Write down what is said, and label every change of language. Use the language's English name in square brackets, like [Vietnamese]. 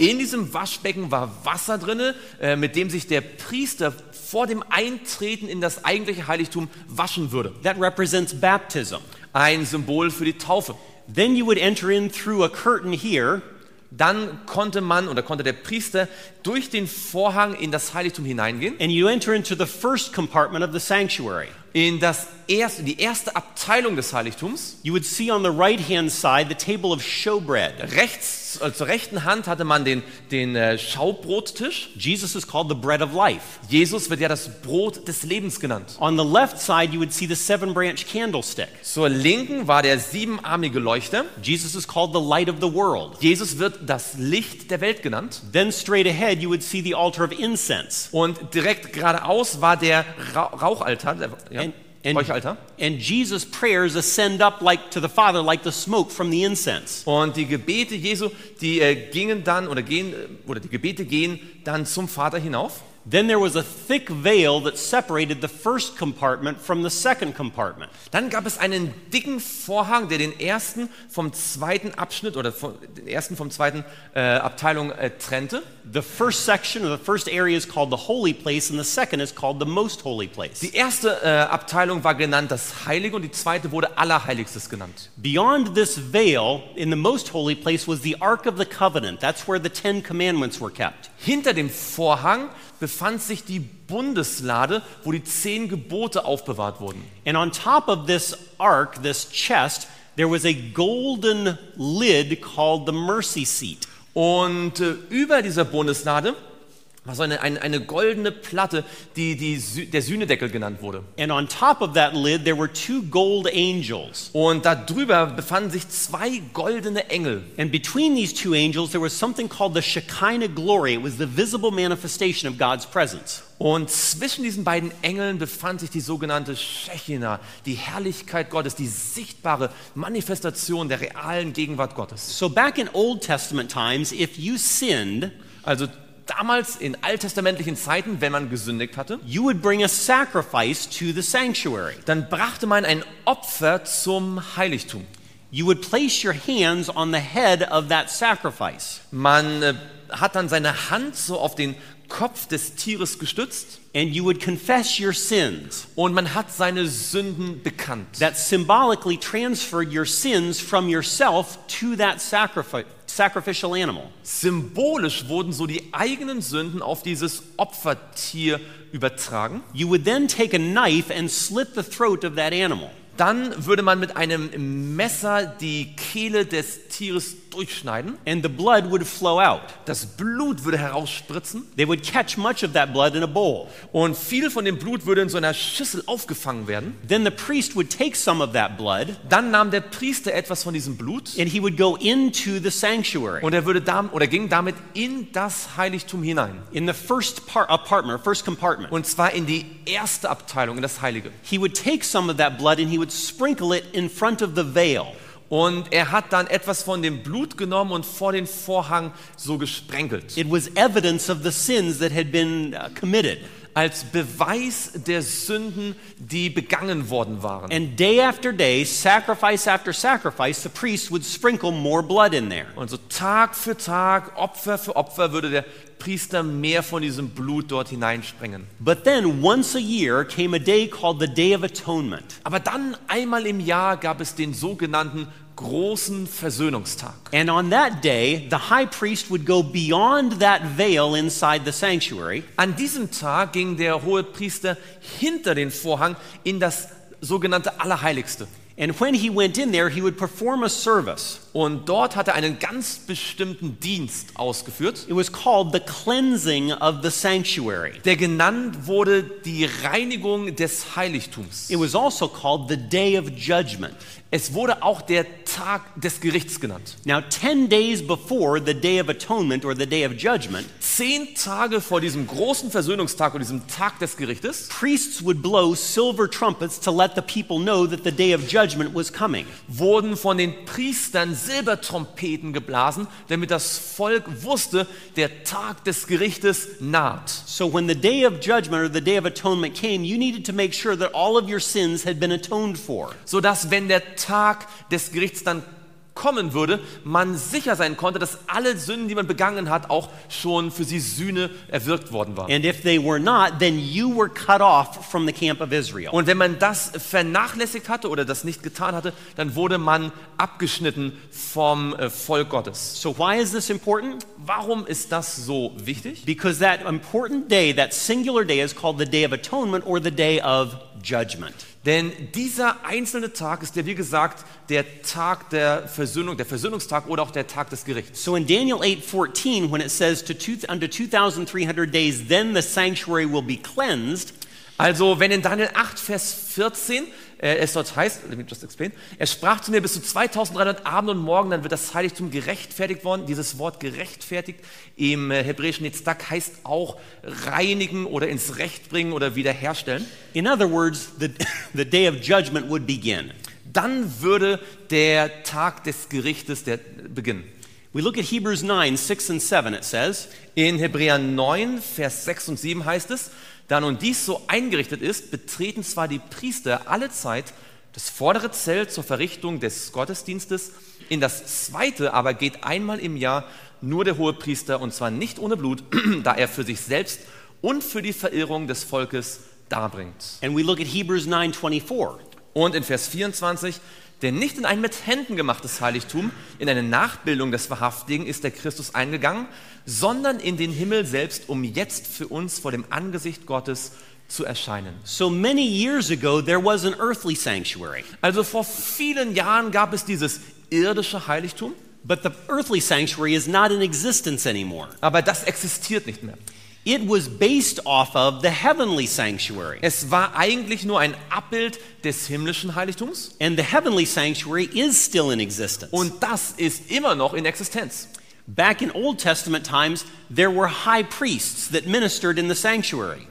[German] In diesem Waschbecken war Wasser drinne, mit dem sich der Priester vor dem Eintreten in das eigentliche Heiligtum waschen würde. [English] That represents baptism. [German] Ein Symbol für die Taufe. [English] Then you would enter in through a curtain here. [German] Dann konnte man oder konnte der Priester durch den Vorhang in das Heiligtum hineingehen. [English] And you enter into the first compartment of the sanctuary. [German] In das erste, die erste Abteilung des Heiligtums. [English] You would see on the right hand side the table of showbread. [German] Rechts, zur rechten Hand hatte man den Schaubrottisch. [English] Jesus is called the bread of life. [German] Jesus wird ja das Brot des Lebens genannt. [English] On the left side you would see the seven branch candlestick. [German] Zur linken war der siebenarmige Leuchter. [English] Jesus is called the light of the world. [German] Jesus wird das Licht der Welt genannt. [English] Then straight ahead you would see the altar of incense. [German] Und direkt geradeaus war der Rauchaltar. Ja. [English] And, [German] euch Alter. [English] And Jesus' prayers ascend up like to the Father, like the smoke from the incense. [German] Und die Gebete Jesu, die gingen dann oder gehen oder die Gebete gehen dann zum Vater hinauf. [English] Then there was a thick veil that separated the first compartment from the second compartment. [German] Dann gab es einen dicken Vorhang, der den ersten vom zweiten Abschnitt oder von, den ersten vom zweiten Abteilung trennte. [English] The first section or the first area is called the holy place and the second is called the most holy place. [German] Die erste Abteilung war genannt das Heilige und die zweite wurde Allerheiligstes genannt. [English] Beyond this veil in the most holy place was the Ark of the Covenant. That's where the Ten Commandments were kept. [German] Hinter dem Vorhang befand sich die Bundeslade, wo die 10 Gebote aufbewahrt wurden. [English] And on top of this ark, this chest, there was a golden lid called the mercy seat. [German] Und über dieser Bundeslade war so eine goldene Platte, die der Sühnedeckel genannt wurde. [English] And on top of that lid there were two gold angels. [German] Und da drüber befanden sich zwei goldene Engel. [English] And between these two angels there was something called the Shekinah glory. It was the visible manifestation of God's presence. [German] Und zwischen diesen beiden Engeln befand sich die sogenannte Shekinah, die Herrlichkeit Gottes, die sichtbare Manifestation der realen Gegenwart Gottes. [English] So back in Old Testament times, if you sinned, [German] also damals in alttestamentlichen Zeiten, wenn man gesündigt hatte, [English] you would bring a sacrifice to the sanctuary. [German] Dann brachte man ein Opfer zum Heiligtum. [English] You would place your hands on the head of that sacrifice. [German] Man hat dann seine Hand so auf den Kopf des Tieres gestützt. [English] And you would confess your sins. [German] Und man hat seine Sünden bekannt. [English] That symbolically transferred your sins from yourself to that sacrificial animal. [German] Symbolisch wurden so die eigenen Sünden auf dieses Opfertier übertragen. [English] You would then take a knife and slit the throat of that animal. [German] Dann würde man mit einem Messer die Kehle des Tieres durchschneiden. [English] And the blood would flow out. [German] Das Blut würde herausspritzen. [English] They would catch much of that blood in a bowl. [German] Und viel von dem Blut würde in so einer Schüssel aufgefangen werden. [English] Then the priest would take some of that blood. [German] Dann nahm der Priester etwas von diesem Blut. [English] And he would go into the sanctuary. [German] Und er würde damit oder ging damit in das Heiligtum hinein. [English] In the first apartment, first compartment. [German] Und zwar in die erste Abteilung, in das Heilige. [English] He would take some of that blood and he would sprinkle it in front of the veil. [German] Und hat dann etwas von dem Blut genommen und vor den Vorhang so gesprenkelt. [English] It was evidence of the sins that had been committed. [German] Als Beweis der Sünden, die begangen worden waren. [English] And day after day, sacrifice after sacrifice, the priest would sprinkle more blood in there. [German] Und so Tag für Tag, Opfer für Opfer würde der Priester mehr von diesem Blut dort hineinsprengen. [English] But then once a year came a day called the Day of Atonement. [German] Aber dann einmal im Jahr gab es den sogenannten großen Versöhnungstag. [English] And on that day the high priest would go beyond that veil inside the sanctuary. [German] An diesem Tag ging der hohe Priester hinter den Vorhang in das sogenannte Allerheiligste. [English] And when he went in there, he would perform a service. [German] Und dort hat einen ganz bestimmten Dienst ausgeführt. [English] It was called the cleansing of the sanctuary. [German] Der genannt wurde die Reinigung des Heiligtums. [English] It was also called the day of judgment. [German] Es wurde auch der Tag des Gerichts genannt. [English] Now 10 days before the day of atonement or the day of judgment, [German] 10 Tage vor diesem großen Versöhnungstag oder diesem Tag des Gerichtes, [English] priests would blow silver trumpets to let the people know that the day of judgment was coming. [German] Wurden von den Priestern Silbertrompeten geblasen, damit das Volk wusste, der Tag des Gerichtes naht. [English] So when the day of judgment or the day of atonement came, you needed to make sure that all of your sins had been atoned for. [German] So dass wenn der Tag des Gerichts dann kommen würde, man sicher sein konnte, dass alle Sünden, die man begangen hat, auch schon für sie Sühne erwirkt worden waren. [English] And if they were not, then you were cut off from the camp of Israel. [German] Und wenn man das vernachlässigt hatte oder das nicht getan hatte, dann wurde man abgeschnitten vom Volk Gottes. [English] So why is this important? [German] Warum ist das so wichtig? [English] Because that important day, that singular day is called the Day of Atonement or the Day of Judgment. [German] Denn dieser einzelne Tag ist ja, wie gesagt, der Tag der Versöhnung, der Versöhnungstag oder auch der Tag des Gerichts. [English] So in Daniel 8:14, when it says, unto 2,300 days, then the sanctuary will be cleansed. [German] Also wenn in Daniel 8, Vers 14 es dort heißt, [English] let me just explain, [German] er sprach zu mir, bis zu 2300 Abend und Morgen, dann wird das Heiligtum gerechtfertigt worden. Dieses Wort gerechtfertigt im hebräischen Netzdak heißt auch reinigen oder ins Recht bringen oder wiederherstellen. [English] In other words, the day of judgment would begin. [German] Dann würde der Tag des Gerichtes beginnen. [English] We look at Hebrews 9, 6 and 7, it says. [German] In Hebräer 9, Vers 6 und 7 heißt es, da nun dies so eingerichtet ist, betreten zwar die Priester alle Zeit das vordere Zelt zur Verrichtung des Gottesdienstes, in das zweite aber geht einmal im Jahr nur der Hohepriester und zwar nicht ohne Blut, da er für sich selbst und für die Verirrung des Volkes darbringt. [English] And we look at Hebrews 9, 24. [German] Und in Vers 24, denn nicht in ein mit Händen gemachtes Heiligtum, in eine Nachbildung des Wahrhaftigen ist der Christus eingegangen, sondern in den Himmel selbst, um jetzt für uns vor dem Angesicht Gottes zu erscheinen. [English] So many years ago there was an earthly sanctuary. [German] Also vor vielen Jahren gab es dieses irdische Heiligtum, [English] but the earthly sanctuary is not in existence anymore. [German] Aber das existiert nicht mehr. [English] It was based off of the heavenly sanctuary. [German] Es war eigentlich nur ein Abbild des himmlischen Heiligtums. [English] And the heavenly sanctuary is still in existence. [German] Und das ist immer noch in Existenz. [English] Back in Old Testament times, there were high priests that ministered in the sanctuary.